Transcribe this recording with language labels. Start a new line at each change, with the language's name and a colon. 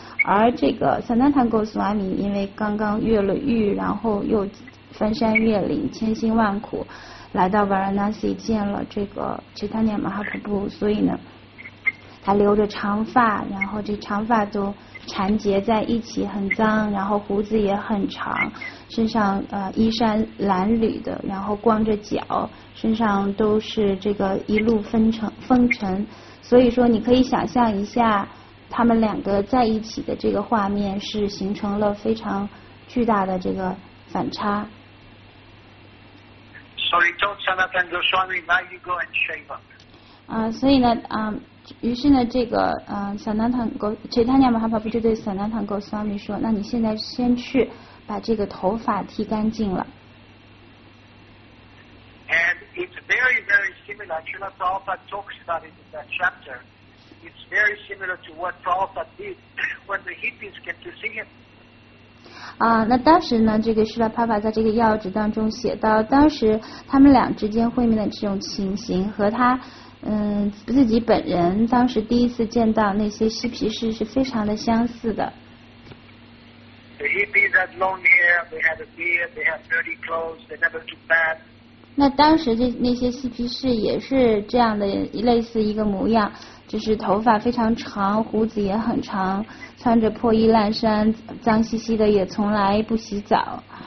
Chinese: 而这个 Sanatana Goswami 因为刚刚越了狱，然后又翻山越岭千辛万苦来到 Varanasi 见了这个 Chaitanya Mahaprabhu， 所以呢他留着长发，然后这长发都缠结在一起很脏，然后胡子也很长，身上衣衫褴褛的，然后光着脚，身上都是这个一路风尘。所以说你可以想象一下他们两个在一起的这个画面是形成了非常巨大的这个反差。
English: So he told Sanatana Goswami, now you go and shave up.
Chinese: 所以呢，于是呢，这个Chaitanya Mahaprabhu 就对 Sanatana Goswami 说，那你现在先去把这个头发剃干净了。
English: And it's very, very similar. Srila Prabhupada talks about it in that chapter. It's very similar to what Prabhupada did when the hippies came to see him.
Chinese: 那当时呢，这个Srila Prabhupada在这个要旨当中写到，当时他们俩之间会面的这种情形和他自己本人当时第一次见到那些嬉皮士是非常的相似的。
English: The hippies had long hair, they had a beard, they had dirty clothes, they never took baths.
Chinese: 那当时那些嬉皮士也是这样的类似一个模样，就是头发非常长，胡子也很长，穿着破衣烂衫，脏兮兮的，也从来不洗澡。